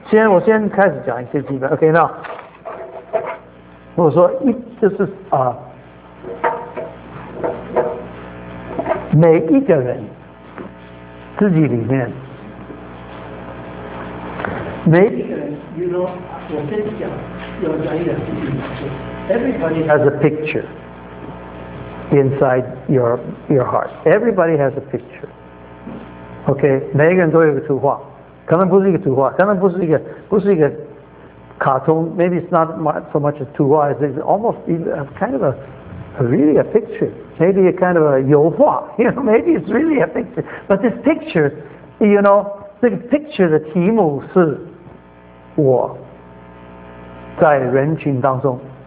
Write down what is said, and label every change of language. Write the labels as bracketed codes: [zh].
[zh] 我先开始讲一些基本 ,OK, 那我说一就是每一个人自己里面每一个人我先讲一点 [en] ,Everybody has a picture inside your heart,Everybody has a picture,OK,、okay? [zh] 每一个人都有个图画。可能不是一个图画，可能不是一个卡通。 [en] Maybe it's not so much a 图画 as it's almost even kind of a really a picture. Maybe a kind of a 油画 You know, maybe it's really a picture. But this picture, you know, the picture [zh] 的题目是我在人群当中。